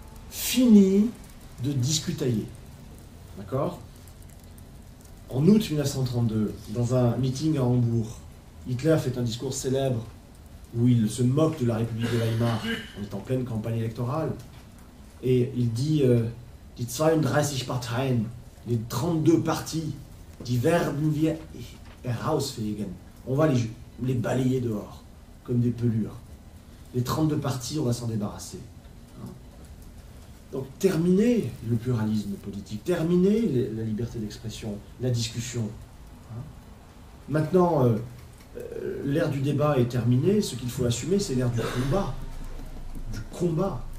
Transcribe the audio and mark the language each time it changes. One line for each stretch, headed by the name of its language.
French: Fini de discutailler. D'accord ? En août 1932, dans un meeting à Hambourg, Hitler fait un discours célèbre où il se moque de la République de Weimar. On est en pleine campagne électorale. Et il dit
German: « Die 32 Parteien,
French: les 32 partis,
German: die werden wir herausfegen.
French: On va les balayer dehors, comme des pelures. Les 32 partis, on va s'en débarrasser. » Donc terminer le pluralisme politique, terminer la liberté d'expression, la discussion. Maintenant, l'ère du débat est terminée, ce qu'il faut assumer, c'est l'ère du combat. Du combat.